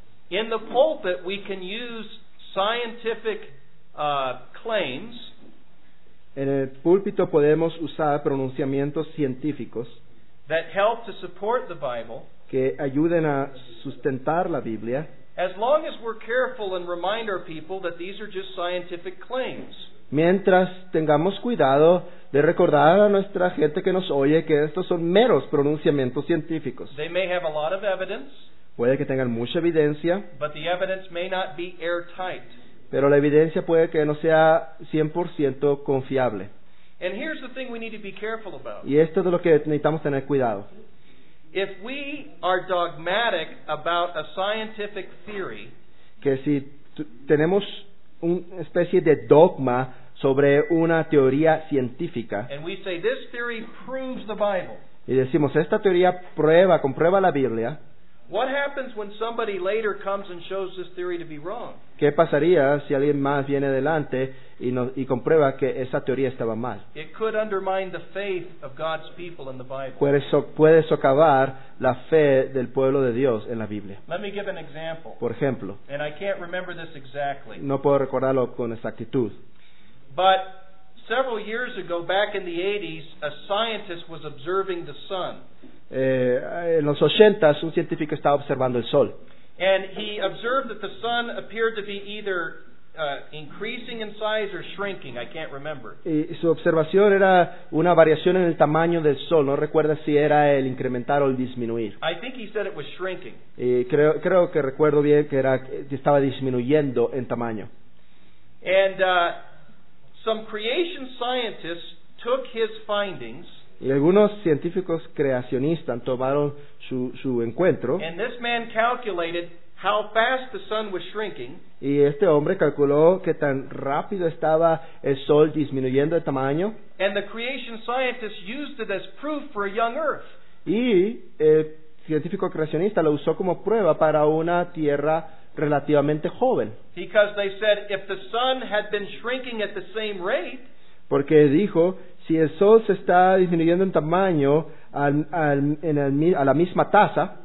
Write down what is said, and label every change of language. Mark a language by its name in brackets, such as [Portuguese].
[English] In the pulpit, we can use scientific claims. [Spanish] En el púlpito podemos usar pronunciamientos científicos [English] that help to support the Bible, [Spanish] que ayuden a sustentar la Biblia, [English] as long as we're careful and remind our people that these are just scientific claims. [Spanish] Mientras tengamos cuidado de recordar a nuestra gente que nos oye que estos son meros pronunciamientos científicos. [English] They may have a lot of evidence, [Spanish] puede que tengan mucha evidencia, [English] but the evidence may not be airtight. [Spanish] Pero la evidencia puede que no sea 100% confiable. [English] And here's the thing we need to be careful about. [Spanish] Y esto es de lo que necesitamos tener cuidado. [English] If we are dogmatic about a scientific theory, [Spanish] que si tenemos una especie de dogma sobre una teoría científica, [English] and we say this theory proves the Bible, [Spanish] y decimos esta teoría prueba, comprueba la Biblia, [English] what happens when somebody later comes and shows this theory to be wrong? [Spanish] ¿Qué pasaría si alguien más viene adelante y comprueba que esa teoría estaba mal? [English] It could undermine the faith of God's people in the Bible. [Spanish] Puede socavar la fe del pueblo de Dios en la Biblia. [English] Let me give an example. [Spanish] Por ejemplo. [English] And I can't remember this exactly. [Spanish] No puedo recordarlo con exactitud. [English] But several years ago, back in the 80s, a scientist was observing the sun. [Spanish] En los 80s, un científico estaba observando el sol. [English] And he observed that the sun appeared to be either increasing in size or shrinking. I can't remember. [Spanish] Y su observación era una variación en el tamaño del sol. No recuerda si era el incrementar o el disminuir. [English] I think he said it was shrinking. [Spanish] Y creo que recuerdo bien que era estaba disminuyendo en tamaño. [English] And some creation scientists took his findings. [Spanish] Y algunos científicos creacionistas tomaron su encuentro. [English] And this man calculated how fast the sun was shrinking. [Spanish] Y este hombre calculó que tan rápido estaba el sol disminuyendo de tamaño. [English] And the creation scientists used it as proof for a young earth. [Spanish] Y el científico creacionista lo usó como prueba para una tierra relativamente joven. [English] Because they said if the sun had been shrinking at the same rate, [Spanish] porque dijo, si el sol se está disminuyendo en tamaño a la misma tasa,